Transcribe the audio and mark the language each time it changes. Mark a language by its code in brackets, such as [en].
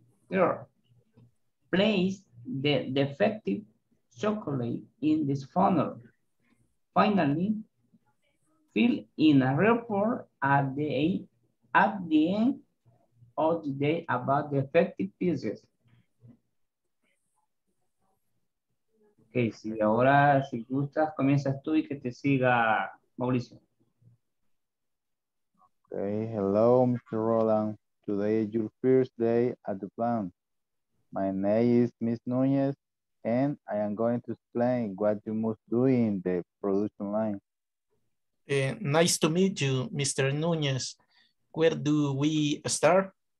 [en] Third, place the defective chocolate in this funnel. Finally, fill in a report at the end all the day about the effective pieces. [es] Ok, si ahora, si gustas, comienzas tú y que te siga Mauricio. [en] Ok, hello, Mr. Roland. Today is your first day at the plant. My name is Ms. Núñez, and I am going to explain what you must do in the production line. Nice to meet you, Mr. Núñez. Where do we start?